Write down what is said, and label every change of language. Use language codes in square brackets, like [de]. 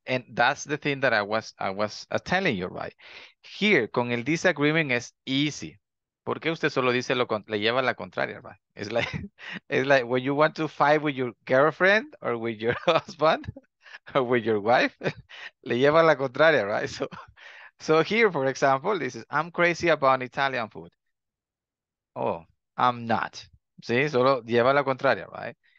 [en] And that's the thing that I was telling you, right? Here, [es] con el [en] disagreement [es] es [en] easy. [es] ¿Por qué usted solo dice le lleva la contraria, right? [en] It's like when you want to fight with your girlfriend or with your husband or with your wife, [es] le lleva la contraria, [en] right? So here, for example, this is, I'm crazy about Italian food. Oh, I'm not. [es] ¿Sí? Solo lleva la contraria, right?